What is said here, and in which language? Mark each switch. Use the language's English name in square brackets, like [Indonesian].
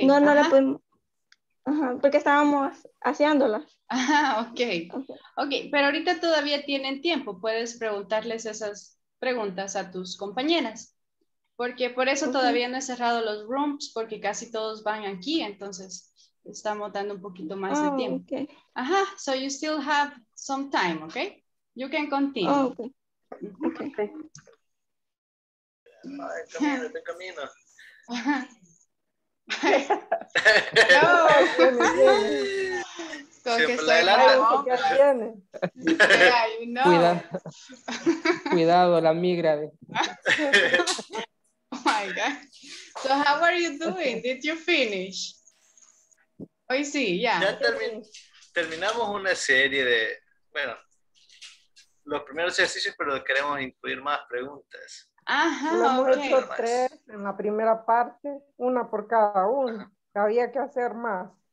[Spanish] No la podemos. Ajá, porque estábamos haciéndolas. Ah, okay. Ok. Ok, pero ahorita todavía tienen tiempo. Puedes preguntarles esas preguntas a tus compañeras. Porque por eso todavía no he cerrado los rooms, porque casi todos van aquí, entonces estamos dando un poquito más de tiempo. [English] Okay. Ajá, so you still have some time, okay? You can continue. Oh, okay. [Spanish] Camina. No, Siempre la Cuidado, la migra. [English] Oh my God. So how are you doing? Did you finish? [Spanish] Hoy sí, [English] yeah. [Spanish] Ya terminamos una serie de, bueno, los primeros ejercicios, pero queremos incluir más preguntas. Ajá, lo hemos hecho tres en la primera parte, una por cada uno. Había que hacer más.